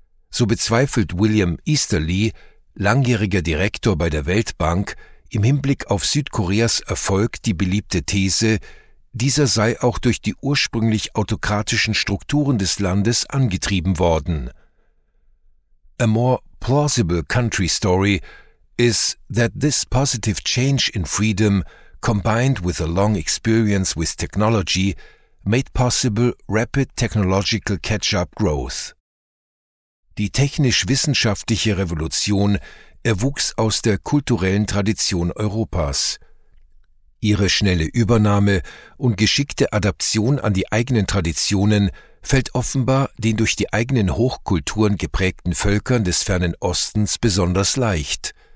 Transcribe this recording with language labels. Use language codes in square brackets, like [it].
[de] So bezweifelt William Easterly, langjähriger Direktor bei der Weltbank, im Hinblick auf Südkoreas Erfolg die beliebte These, dieser sei auch durch die ursprünglich autokratischen Strukturen des Landes angetrieben worden. [en] A more plausible country story is that this positive change in freedom, combined with a long experience with technology, made possible rapid technological catch-up growth. [de] Die technisch-wissenschaftliche Revolution erwuchs aus der kulturellen Tradition Europas. Ihre schnelle Übernahme und geschickte Adaption an die eigenen Traditionen fällt offenbar den durch die eigenen Hochkulturen geprägten Völkern des fernen Ostens besonders leicht.